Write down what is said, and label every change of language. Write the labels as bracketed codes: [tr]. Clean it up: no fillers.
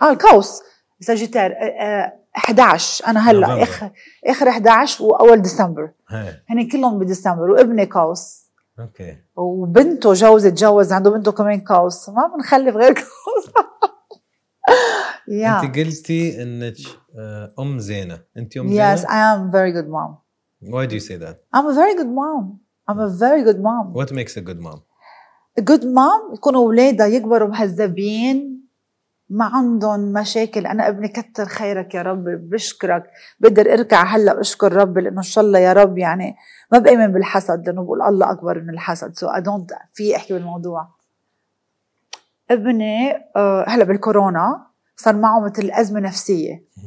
[ar] القوس ساجيتير 11 انا هلا اخر 11 واول ديسمبر هني كلهم بديسمبر وابني قوس اوكي وبنته جوزة تجوز عنده بنته كمان قوس ما بنخلف غير قوس انت قلتي انك ام زينه انت ام [en] زينه yes I am very good mom why do you say that I'm a very good mom I'm a very good mom what makes a good mom A good mom [ar] يكونوا أولادها يكبروا مهذبين ما عندهم مشاكل أنا ابني كتر خيرك يا رب بشكرك بقدر أركع هلأ أشكر رب لأنه إن شاء الله يا رب يعني ما بأمن بالحسد لأنه بقول الله أكبر من الحسد [en] so I don't [ar] في أحكي بالموضوع ابني هلأ بالكورونا صار معه مثل أزمة نفسية